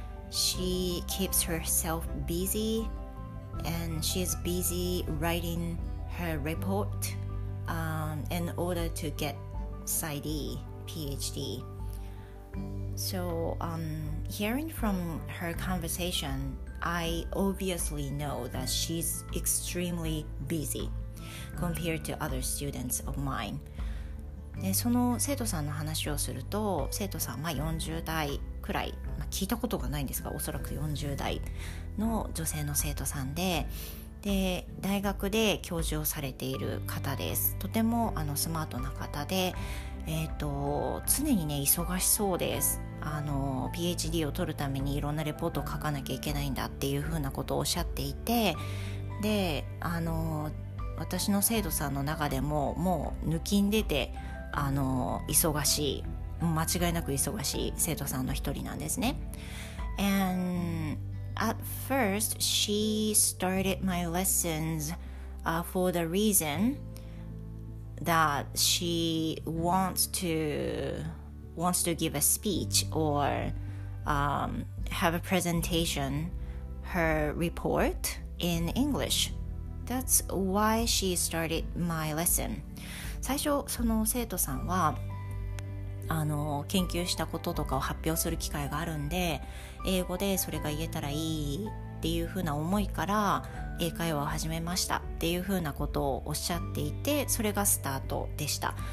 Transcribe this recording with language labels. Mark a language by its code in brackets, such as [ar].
[en] She keeps herself busy, and she's busy writing her report in order to get PsyD, PhD. So, hearing from her conversation,I obviously know that she's extremely busy compared to other students of mine. [ja] で、その生徒さんの話をすると、生徒さんは40代くらい、聞いたことがないんですが、おそらく40代の女性の生徒さんで、で、大学で教授をされている方です。とてもスマートな方で、常にね、忙しそうです。 PhD を取るためにいろんなレポートを書かなきゃいけないんだっていうふうなことをおっしゃっていて、で、私の生徒さんの中でももう抜きんでて、忙しい、間違いなく忙しい生徒さんの一人なんですね。 [en] And at first she started my lessons for the reason that she wants to give a speech or have a presentation, her report in English. That's why she started my lesson. [ja] 最初その生徒さんは研究したこととかを発表する機会があるんで、英語でそれが言えたらいいっていうふうな思いから英会話を始めましたっていうふうなことをおっしゃっていて、それがスタートでした。